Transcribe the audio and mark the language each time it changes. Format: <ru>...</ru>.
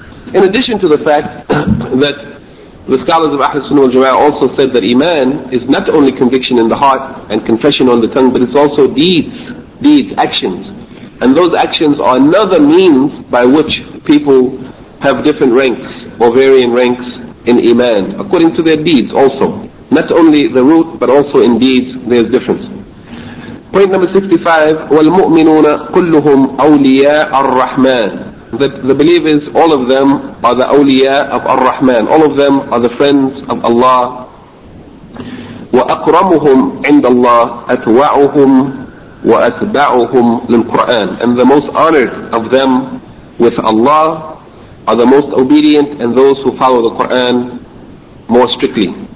<en>In addition to the fact that the scholars of Ahlul Sunnah al-Jama'ah also said that iman is not only conviction in the heart and confession on the tongue, but it's also deeds, actions. And those actions are another means by which people have different ranks or varying ranks in iman, according to their deeds also. Not only the root, but also in deeds there's difference. Point number 65,</en> <ar>وَالْمُؤْمِنُونَ كُلُّهُمْ أَوْلِيَاءَ الرَّحْمَانِ.</ar> <en>The believers, all of them are the awliya of Ar-Rahman. All of them are the friends of Allah.</en> <ar>وَأَكْرَمُهُمْ عِنْدَ اللَّهِ أَتْوَعُهُمْ وَأَتْبَعُهُمْ لِلْقُرْآنِ.</ar> <en>And the most honored of them with Allah are the most obedient, and those who follow the Qur'an more strictly.</en>